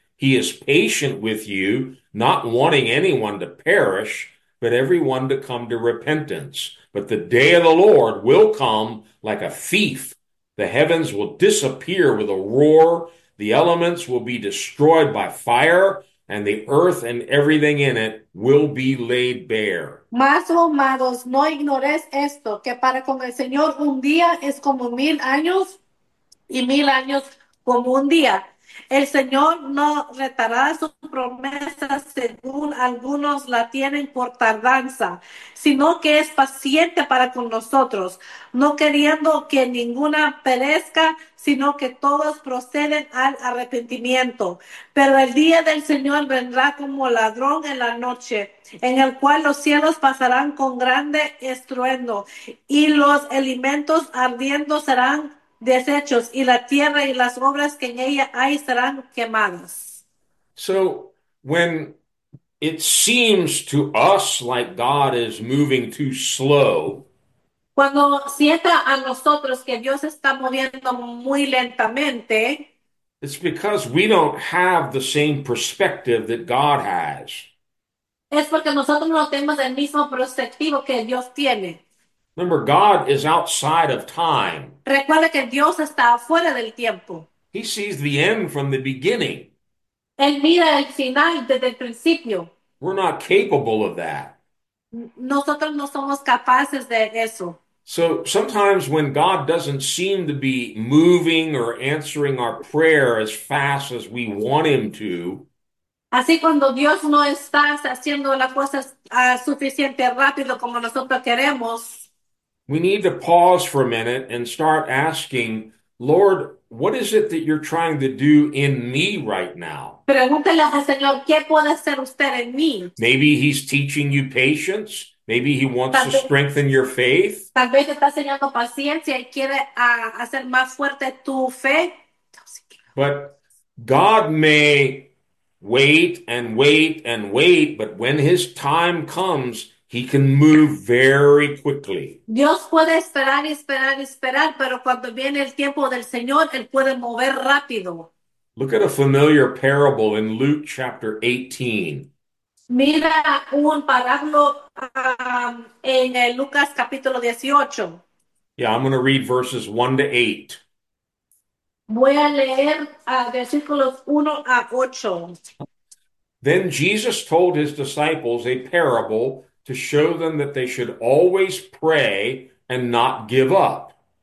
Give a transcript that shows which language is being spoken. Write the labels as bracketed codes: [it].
[en] He is patient with you, not wanting anyone to perish, but everyone to come to repentance. But the day of the Lord will come like a thief. The heavens will disappear with a roar. The elements will be destroyed by fire, and the earth and everything in it will be laid bare. [es] Mas, oh amados, no ignoréis esto, que para con el Señor un día es como 1000 años y 1000 años como un día. El Señor no retardará su promesa según algunos la tienen por tardanza, sino que es paciente para con nosotros, no queriendo que ninguna perezca, sino que todos proceden al arrepentimiento. Pero el día del Señor vendrá como ladrón en la noche, en el cual los cielos pasarán con grande estruendo y los elementos ardiendo serán desechos y la tierra y las obras que en ella hay serán quemadas. [en] So when it seems to us like God is moving too slow, [es] Cuando sienta a nosotros que Dios está moviendo muy lentamente, [en] it's because we don't have the same perspective that God has. [es] es porque nosotros no tenemos el mismo perspectivo que Dios tiene. [en] Remember, God is outside of time. [es] Recuerda que Dios está fuera del tiempo. [en] He sees the end from the beginning. [es] Él mira el final desde el principio. [en] We're not capable of that. [es] Nosotros no somos capaces de eso. [en] So sometimes when God doesn't seem to be moving or answering our prayer as fast as we want him to, [es] Así cuando Dios no está haciendo las cosas suficiente rápido como nosotros queremos. [en] we need to pause for a minute and start asking, Lord, what is it that you're trying to do in me right now? [es] Pregúntele al Señor, ¿qué puede hacer usted en mí? [en] Maybe he's teaching you patience. Maybe he wants to strengthen your faith. [es] Tal vez está enseñando paciencia y quiere hacer más fuerte tu fe. [en] But God may wait and wait and wait, but when his time comes, he can move very quickly. [es] Dios puede esperar y esperar y esperar, pero cuando viene el tiempo del Señor, Él puede mover rápido. [en] Look at a familiar parable in Luke chapter 18. [es] Mira un parágrafo en el Lucas capítulo 18. [en] Yeah, I'm going to read verses 1 to 8. [es] Voy a leer versículos 1 a 8. [en] Then Jesus told his disciples a parable to show them that they should always pray and not give up.